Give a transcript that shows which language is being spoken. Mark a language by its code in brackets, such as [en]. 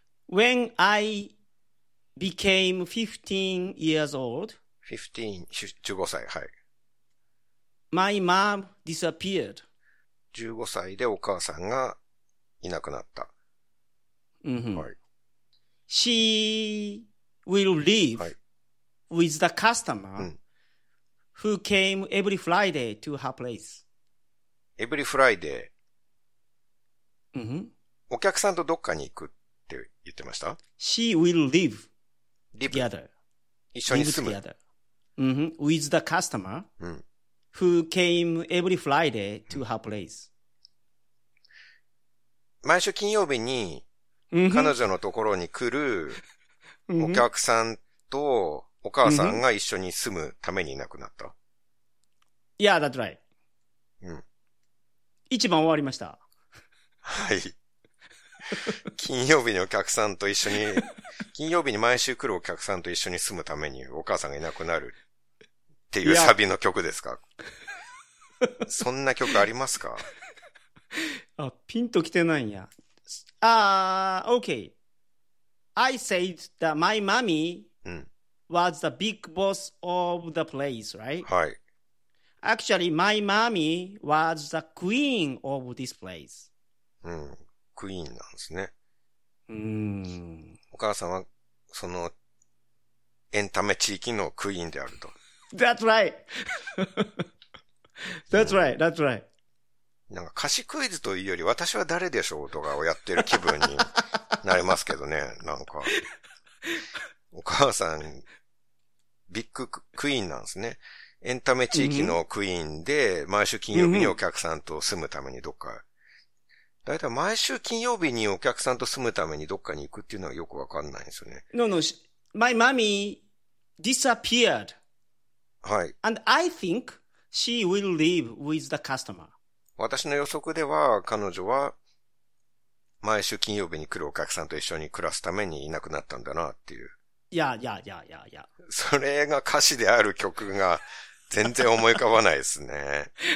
[en] When I became 15 years old, [ja] 15歳、はい。 [en] My mom disappeared. [ja] 15歳でお母さんがいなくなった。はい。 [en] She will leave、はい、with the customer、who came every Friday to her place. Every Friday.、 Mm-hmm. [ja] お客さんとどっかに行くって言ってました。 [en] She will live together. [ja] 一緒に住む。 [en] With the customer、who came every Friday to her place. [ja] 毎週金曜日に彼女のところに来るお客さんとお母さんが一緒に住むためにいなくなった。 [en] Yeah, that's right. [ja] 一番終わりました。はい。金曜日にお客さんと一緒に、金曜日に毎週来るお客さんと一緒に住むためにお母さんがいなくなるっていうサビの曲ですか、そんな曲ありますか、あ、ピンときてないんや。 [en] Okay. I said that my mommy、was the big boss of the place, right? [ja] はい。 [en] Actually, my mommy was the queen of this place. [ja] クイーンなんですね。うん。お母さんは、その、エンタメ地域のクイーンであると。 [en] That's right! That's right, that's right. [ja] なんか歌詞クイズというより私は誰でしょうとかをやってる気分になれますけどね。なんかお母さんビッグクイーンなんですね。エンタメ地域のクイーンで毎週金曜日にお客さんと住むためにどっか、だいたい毎週金曜日にお客さんと住むためにどっかに行くっていうのはよくわかんないんですよね。 [en] No, no. My mommy disappeared. [ja] はい。 [en] And I think she will leave with the customer. [ja] 私の予測では、彼女は、毎週金曜日に来るお客さんと一緒に暮らすためにいなくなったんだな、っていう。いや。それが歌詞である曲が、全然思い浮かばないですね。